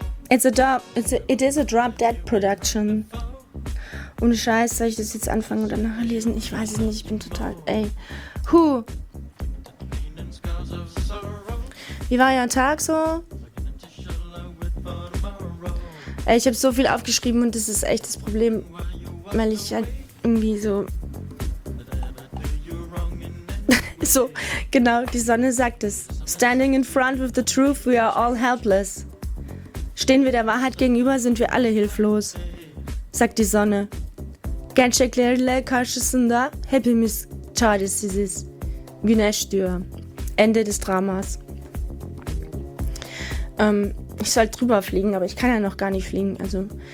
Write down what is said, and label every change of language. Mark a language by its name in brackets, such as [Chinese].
[English] It is a Drop Dead Production. [German] Ohne Scheiß, soll ich das jetzt anfangen oder nachher lesen? Ich weiß es nicht, ich bin total, ey. Huh. Wie war euer Tag so? Ey, ich habe so viel aufgeschrieben und das ist echt das Problem, weil ich halt irgendwie so... So, genau, die Sonne sagt es. [English] Standing in front of the truth, we are all helpless. [German] Stehen wir der Wahrheit gegenüber, sind wir alle hilflos, sagt die Sonne. Gänsche klärle, kaschesunda, happy miss chardis, this is Güneşdür. Ende des Dramas. Ich soll drüber fliegen, aber ich kann ja noch gar nicht fliegen, also.